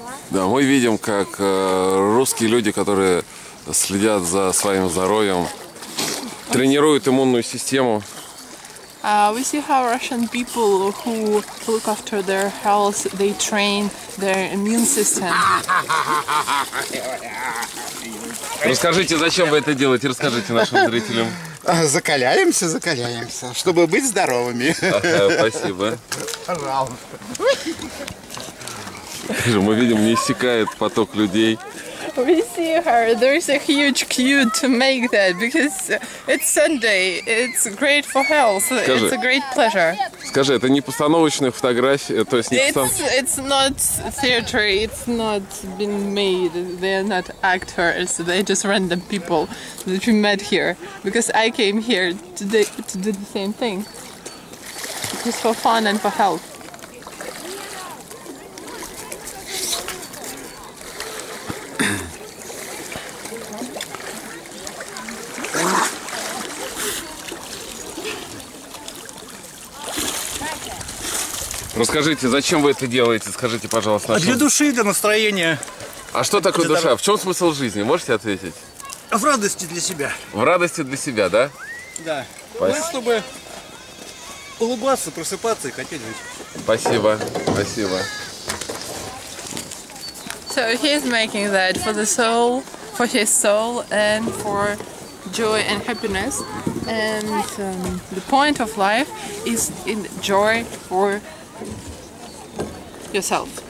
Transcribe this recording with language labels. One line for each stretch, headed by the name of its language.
Russian: Да, мы видим, как русские люди, которые следят за своим здоровьем, тренируют иммунную систему.
English: We see how Russian people who look after their health, they train their immune system.
Russian: Расскажите, зачем вы это делаете? Расскажите нашим зрителям. Закаляемся, закаляемся, чтобы быть здоровыми. Спасибо. Пожалуйста. Мы видим, не иссякает поток людей.
English: We see her. There's a huge queue to make that because it's Sunday. It's great for health.
Russian: Скажи,
English: it's a great pleasure.
Russian: Скажи, это не постановочная фотография, то есть не
English: It's not theater. It's not been made. They're not actors. They're just random people that we met here because I came here today to do the same thing. It's for fun and for health.
Russian: Расскажите, зачем вы это делаете? Скажите, пожалуйста. Для души, для настроения. А что такое душа? В чем смысл жизни? Можете ответить? В радости для себя. В радости для себя, да? Да. Спасибо. Мы, чтобы улыбаться, просыпаться и хотеть жить. Спасибо. Спасибо.
English: So he's making that for the soul, for his soul and for joy and happiness. And the point of life is in joy or yourself.